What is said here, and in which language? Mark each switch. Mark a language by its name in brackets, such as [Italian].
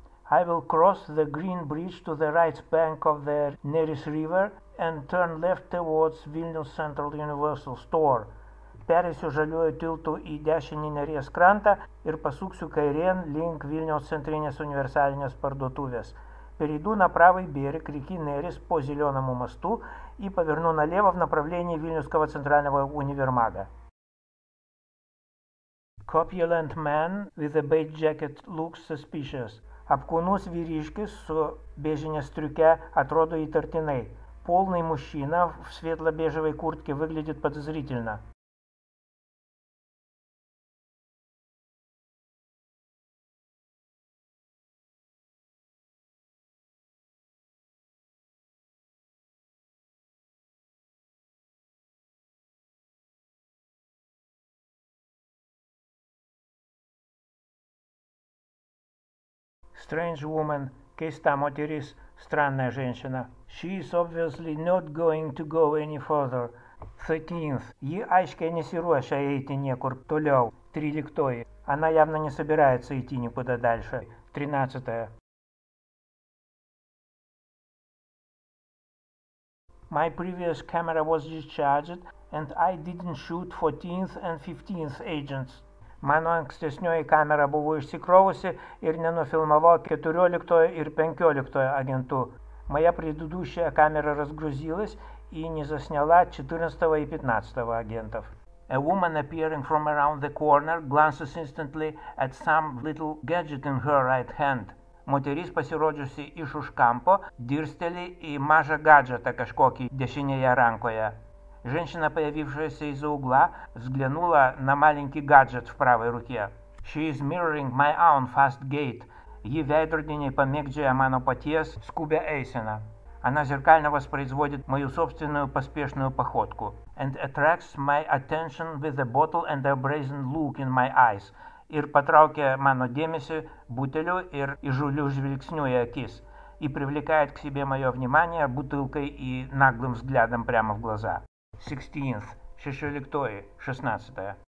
[English] I will cross the green bridge to the right bank of the Neris River and turn left towards Vilnius Central Universal Store. [Lithuanian] Pereisiu žaliuoju tiltu į dešinį Neries krantą ir pasuksiu kairėn link Vilnius Centrinės Universalinės parduotuvės. [Russian] Перейду на правый берег реки Нерис по зеленому мосту и поверну налево в направлении Вильнюсского центрального универмага. [English] Copulent man with a beige jacket looks suspicious. [Lithuanian] Apkūnus vyriškis su bežinė striuke atrodo įtartinai. [Russian] Polnai mušina в светло-бежевой куртке выглядит подозрительно. [English] Strange woman, [Lithuanian] keista moteris, [Russian] странная женщина. [English] She is obviously not going to go any further. 13th. [Lithuanian] Ji aiškiai nesiruošia eiti niekur toliau. [English] 13th. [Russian] Она явно не собирается идти никуда дальше. [English] 13th. My previous camera was discharged and I didn't shoot 14th and 15th agents. [Lithuanian] Mano ankstesnioji kamera buvo išsikrovusi ir nenufilmavo 14 ir 15 agentų. [Russian] Моя предыдущая камера разгрузилась и не засняла 14 и 15 агентов. [English] A woman appearing from around the corner glances instantly at some little gadget in her right hand. [Lithuanian] Moteris pasirodžiusi iš už kampo dirsteli į mažą gadžetą kažkokį dešinėje rankoje. [Russian] Женщина, появившаяся из-за угла, взглянула на маленький гаджет в правой руке. [English] She is mirroring my own fast gait. [Lithuanian] Ji veidrodiniai pamėgdžioja mano paties skubią eiseną. [Russian] Она зеркально воспроизводит мою собственную поспешную походку. [English] And attracts my attention with a bottle and a brazen look in my eyes. [Lithuanian] Ir patraukia mano dėmesį buteliu ir įžūliu žvilgsniu į akis. [Russian] И привлекает к себе мое внимание бутылкой и наглым взглядом прямо в глаза. [English] 16th. Шешеликтои. 16th.